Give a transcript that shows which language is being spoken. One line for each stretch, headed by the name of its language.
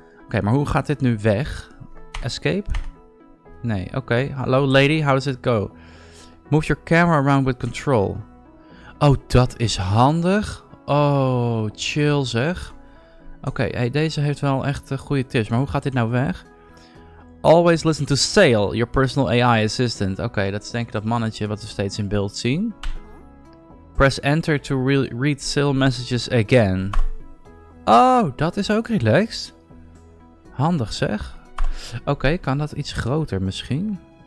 Dutch: Oké, maar hoe gaat dit nu weg?
English: Escape?
Dutch: Nee, oké. Hallo
English: lady, how does it go? Move your camera around with control.
Dutch: Oh, dat is handig. Oh, chill zeg. Oké, hey, deze heeft wel echt goede tips. Maar hoe gaat dit nou weg?
English: Always listen to Sail, your personal AI assistant.
Dutch: Oké, dat is denk ik dat mannetje wat we steeds in beeld zien.
English: Press enter to read Sail messages again.
Dutch: Oh, dat is ook relaxed. Handig zeg. Oké, kan dat iets groter misschien?